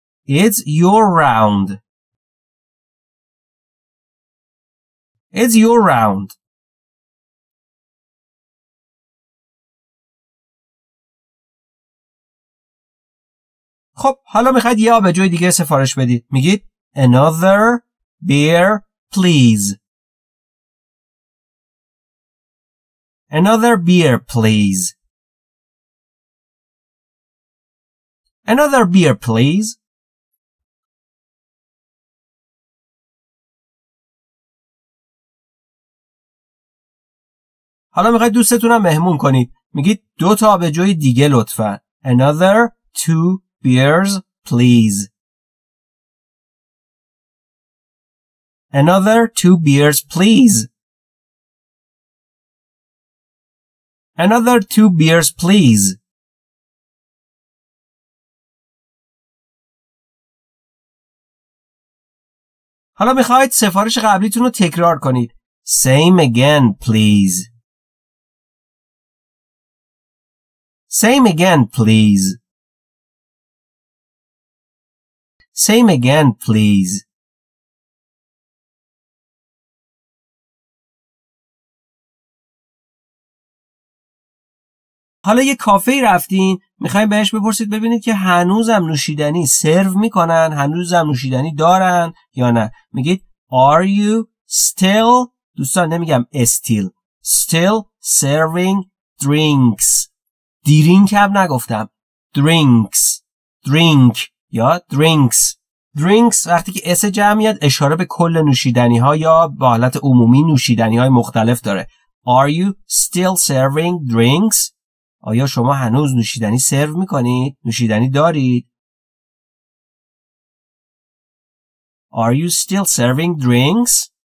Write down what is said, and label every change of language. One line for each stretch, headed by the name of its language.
English: It's your round. It's your round.
Persian: خب حالا میخواید یه آبجوی دیگه سفارش بدید. میگید
English: another beer please. Another beer, please. Another beer, please.
Persian: حالا میخواید دوستتونم مهمون کنید. میگید دو تا آبجوی دیگه لطفا.
English: Another two beers, please. Another two beers, please. Another two beers, please.
Persian: حالا میخواید سفارش قبلیتون رو تکرار کنید.
English: Same again, please. Same again, please. Same again, please.
Persian: حالا یه کافه رفتین، میخواییم بهش بپرسید ببینید که هنوزم نوشیدنی سرو میکنن، هنوزم نوشیدنی دارن یا نه. میگید
English: Are you still،
Persian: دوستان نمیگم
English: still، still serving drinks.
Persian: درینک هم نگفتم، drinks، drink یا drinks. drinks وقتی که اس جمعیت اشاره به کل نوشیدنی ها یا به حالت عمومی نوشیدنی های مختلف داره.
English: Are you still serving drinks؟
Persian: آیا شما هنوز نوشیدنی سرو میکنید؟ نوشیدنی دارید؟
English: Are you still serving drinks?